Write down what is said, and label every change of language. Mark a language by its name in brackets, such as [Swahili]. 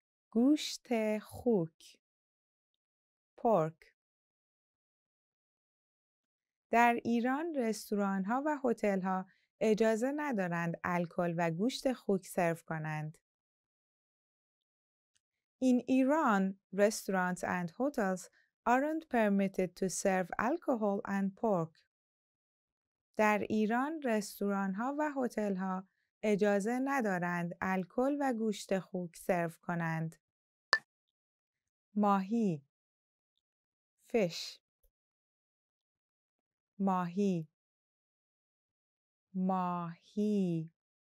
[Persian] گوشت خوک. Pork. در ایران رستوران ها و هتل ها اجازه ندارند الکل و گوشت خوک سرو کنند. [English] In Iran, restaurants and hotels aren't permitted to serve alcohol and pork. [Persian] در ایران رستوران ها و هتل ها اجازه ندارند الکل و گوشت خوک سرو کنند. ماهی. Fish. ماهی. ماهی.